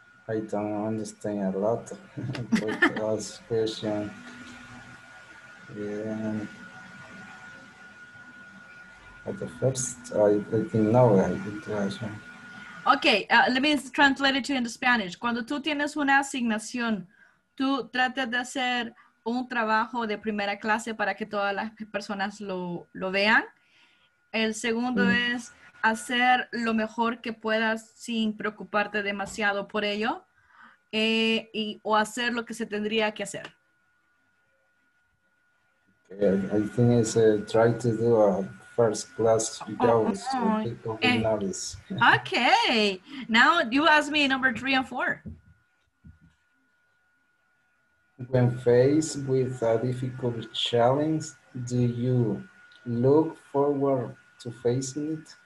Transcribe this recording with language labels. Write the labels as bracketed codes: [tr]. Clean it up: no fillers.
[en] I don't understand a lot about this question. Yeah. At the first, I think no, I didn't ask. Okay, let me translate it to in the Spanish. [es] Cuando tú tienes una asignación, tú tratas de hacer un trabajo de primera clase para que todas las personas lo vean. El segundo es hacer lo mejor que puedas sin preocuparte demasiado por ello. O hacer lo que se tendría que hacer. [en] Okay, I think it's try to do a first class job so people can notice. Okay, now you ask me number 3 and 4. When faced with a difficult challenge, do you look forward to facing it?